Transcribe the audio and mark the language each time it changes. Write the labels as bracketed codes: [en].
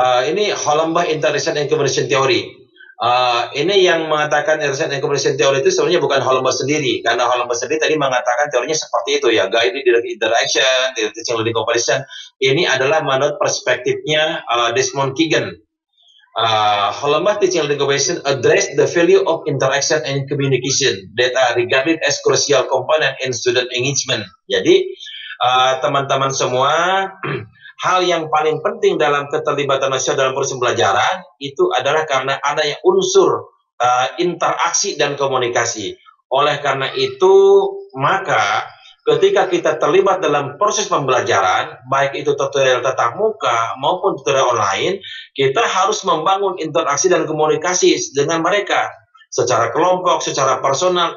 [id] Ini Hollenbach Interaction and Communication Theory. Ini yang mengatakan Interaction and Communication Theory itu sebenarnya bukan Hollenbach sendiri, karena Hollenbach sendiri tadi mengatakan teorinya seperti itu ya, guided interaction, teaching learning comparison. Ini adalah menurut perspektifnya Desmond Keegan. [en] Hollenbach teaching learning comparison address the value of interaction and communication that are regarded as crucial component in student engagement. [id] Jadi teman-teman semua, hal yang paling penting dalam keterlibatan manusia dalam proses pembelajaran itu adalah karena adanya unsur interaksi dan komunikasi. Oleh karena itu, maka ketika kita terlibat dalam proses pembelajaran, baik itu tutorial tatap muka maupun tutorial online, kita harus membangun interaksi dan komunikasi dengan mereka secara kelompok, secara personal.